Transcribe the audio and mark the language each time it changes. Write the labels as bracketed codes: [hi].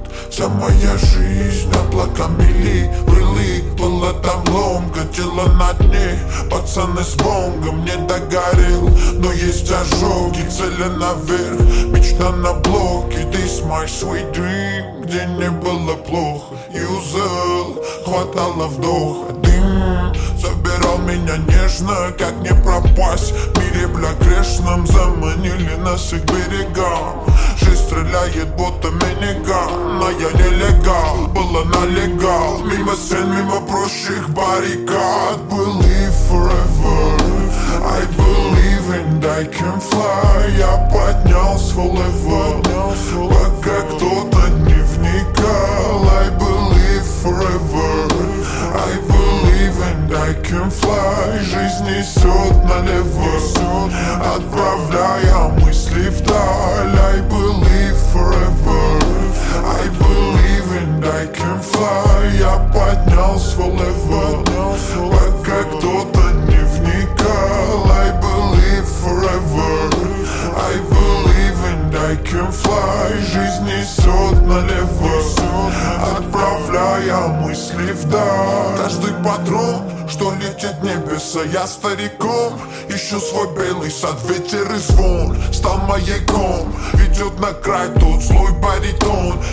[ru] вся моя жизнь облака мели, плыли, было там ломка, тело на дне, пацаны с бонгом не догорел, но есть ожоги, цели наверх, мечта на блоке, [en] this my sweet dream, [ru] где не было плохо, юзал, хватало вдоха, дым забирал меня нежно, как не пропасть, в мире бля грешном, заманили нас их берегам. Стреляет будто миниган, но я нелегал, было налегал. Мимо стен, мимо прочих баррикад. [en] Believe forever, I believe and I can fly. [ru] Я поднялся [en] full level, [ru] пока кто-то не вникал. [en] I believe forever, I believe and I can fly. [ru] Жизнь несет налево, отправляя мысли вдаль. [en] I believe forever, I believe and I can fly. [ru] Я поднялся [en] full level, [ru] пока кто-то не вникал. [en] I believe forever, I believe and I can fly. [ru] Жизнь несет налево, отправляя мысли вдаль. Каждый патрон, что летит в небеса, я стариком ищу свой белый сад, ветер и звон стал маяком, ведет на край тот злой баритон.